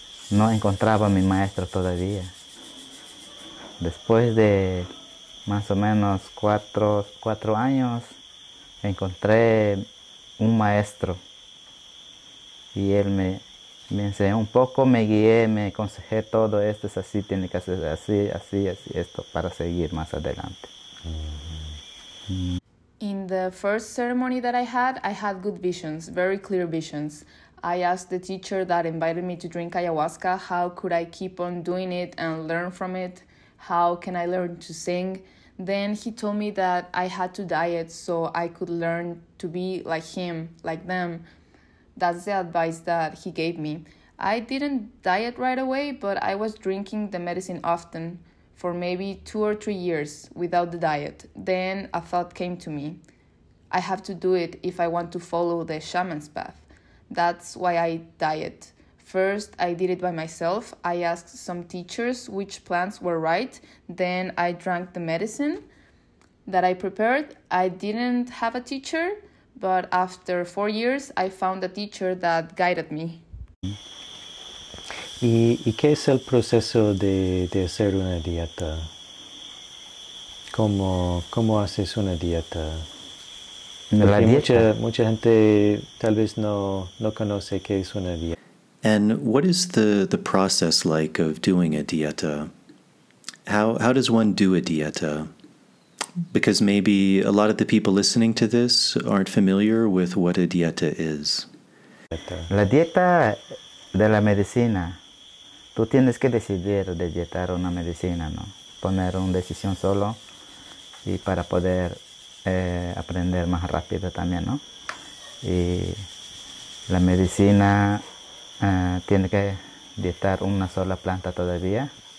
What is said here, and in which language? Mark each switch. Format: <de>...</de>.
<es>No encontraba a mi maestro todavía. Después de más o menos 4 años, encontré un maestro y él me enseñó un poco, me guié, me aconsejé todo esto, es así, tiene que hacer así, así, así, esto, para seguir más adelante.</es> <en>In the first ceremony that I had good visions, very clear visions. I asked the teacher that invited me to drink ayahuasca, how could I keep on doing it and learn from it? How can I learn to sing? Then he told me that I had to diet so I could learn to be like him, like them. That's the advice that he gave me. I didn't diet right away, but I was drinking the medicine often for maybe 2 or 3 years without the diet. Then a thought came to me. I have to do it if I want to follow the shaman's path. That's why I diet. First, I did it by myself. I asked some teachers which plants were right. Then I drank the medicine that I prepared. I didn't have a teacher, but after 4 years, I found a teacher that guided me.</en> <es>¿Y qué es el proceso de hacer una dieta? ¿Cómo haces una dieta? Mucha gente tal vez no conoce qué es una dieta.</es> <en>And what is the process like of doing a dieta? How does one do a dieta? Because maybe a lot of the people listening to this aren't familiar with what a dieta is.</en> <es>La dieta de la medicina. Tú tienes que decidir de dietar una medicina, ¿no? Poner una decisión solo y para poder aprender más rápido también, ¿no? Y la medicina tiene que dietar una sola planta todavía.</es>